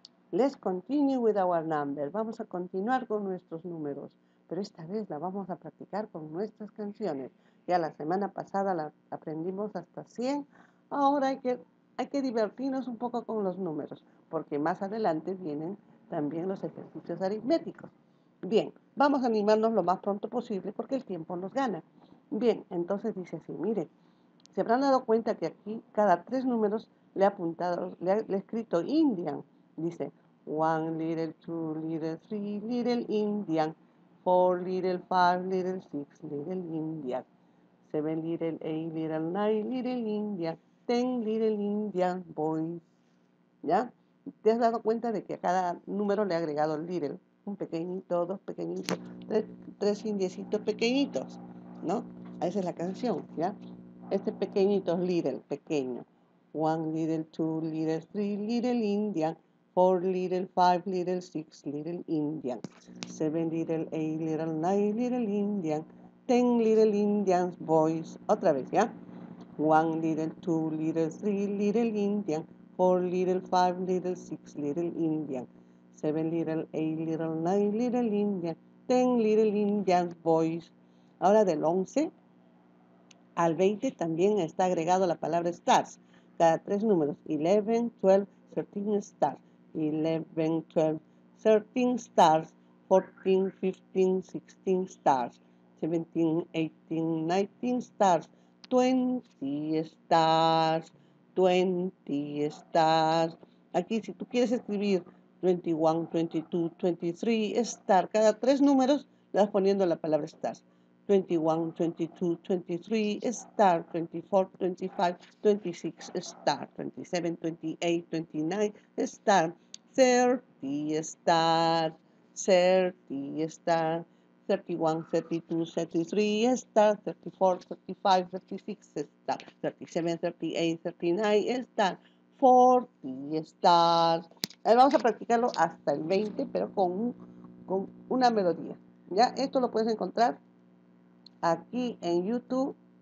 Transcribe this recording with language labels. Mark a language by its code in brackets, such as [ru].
[en] Let's continue with our numbers. [es] Vamos a continuar con nuestros números, pero esta vez la vamos a practicar con nuestras canciones. Ya la semana pasada la aprendimos hasta 100. Ahora hay que divertirnos un poco con los números, porque más adelante vienen también los ejercicios aritméticos. Bien, vamos a animarnos lo más pronto posible porque el tiempo nos gana. Bien, entonces dice así, mire. Se habrán dado cuenta que aquí cada tres números le ha apuntado, le ha escrito Indian. Dice, [en] one little, two little, three little Indian, four little, five little, six little Indian, seven little, eight little, nine little Indian, ten little Indian boys. [es] ¿Ya? ¿Te has dado cuenta de que a cada número le ha agregado little? Un pequeñito, dos pequeñitos, tres indiecitos pequeñitos, ¿no? Esa es la canción, ¿ya? Este pequeñito es little, pequeño. [en] One little, two little, three little Indian, four little, five little, six little Indian, seven little, eight little, nine little Indian, ten little Indian boys. [es] Otra vez, ¿ya? [en] One little, two little, three little Indian, four little, five little, six little Indian, seven little, eight little, nine little Indian, ten little Indian boys. [es] Ahora del 11 al 20 también está agregado la palabra stars. Cada tres números. 11, 12, 13 stars. 11, 12, 13 stars. 14, 15, 16 stars. 17, 18, 19 stars. 20 stars. 20 stars. Aquí si tú quieres escribir 21, 22, 23 stars. Cada tres números le vas poniendo la palabra stars. 21, 22, 23, star, 24, 25, 26, star, 27, 28, 29, star, 30, star, 30, star, 31, 32, 33, star, 34, 35, 36, star, 37, 38, 39, star, 40, star. Ahora vamos a practicarlo hasta el 20, pero con una melodía. ¿Ya? Esto lo puedes encontrar aquí en YouTube.